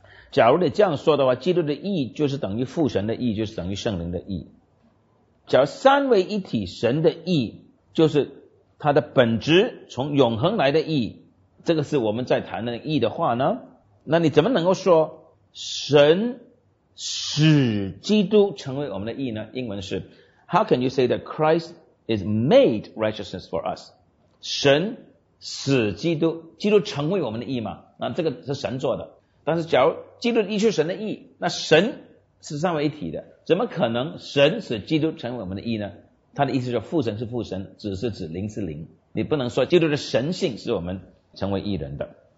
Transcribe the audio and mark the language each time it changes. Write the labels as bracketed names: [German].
[Chinese] 假如你这样说的话，基督的义就是等于父神的义，就是等于圣灵的义。假如三位一体神的义就是他的本质从永恒来的义，这个是我们在谈的义的话呢，那你怎么能够说神使基督成为我们的义呢？英文是 [English] How can you say that Christ is made righteousness for us? [Chinese] 神使基督，基督成为我们的义吗？那这个是神做的。但是假如基督的义是神的义，那神是三位一体的，怎么可能神使基督成为我们的义呢？他的意思是父神是父神，子是子，灵是灵，你不能说基督的神性使我们成为义人的。